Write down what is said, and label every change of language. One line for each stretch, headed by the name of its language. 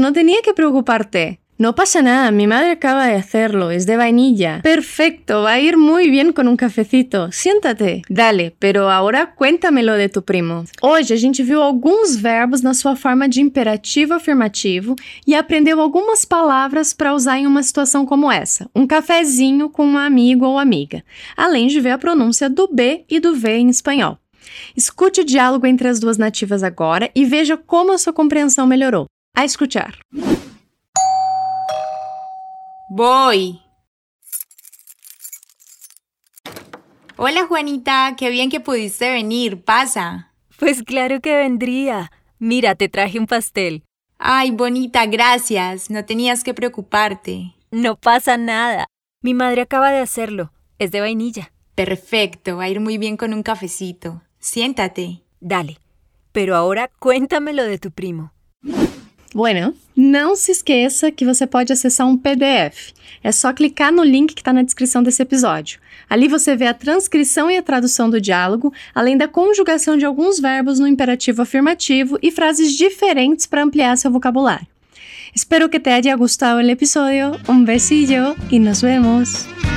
Spanish: No tenía que preocuparte. No pasa nada, mi madre acaba de hacerlo, es de vainilla. Perfecto, va a ir muy bien con un cafecito. Siéntate. Dale, pero ahora cuéntamelo de tu primo.
Portuguese: Hoje a gente viu alguns verbos na sua forma de imperativo afirmativo e aprendeu algumas palavras para usar em uma situação como essa. Um cafezinho com um amigo ou amiga. Além de ver a pronúncia do B e do V em espanhol. Escute o diálogo entre as duas nativas agora e veja como a sua compreensão melhorou. A escutar.
Spanish: Voy. Hola, Juanita. Qué bien que pudiste venir. Pasa. Pues claro que vendría. Mira, te traje un pastel. Ay, bonita, gracias. No tenías que preocuparte. No pasa nada. Mi madre acaba de hacerlo. Es de vainilla. Perfecto. Va a ir muy bien con un cafecito. Siéntate. Dale. Pero ahora cuéntamelo de tu primo.
Portuguese: Bueno, não se esqueça que você pode acessar um PDF. É só clicar no link que está na descrição desse episódio. Ali você vê a transcrição e a tradução do diálogo, além da conjugação de alguns verbos no imperativo afirmativo e frases diferentes para ampliar seu vocabulário.
Spanish: Espero que te haya gustado el episodio. Un besillo y nos vemos!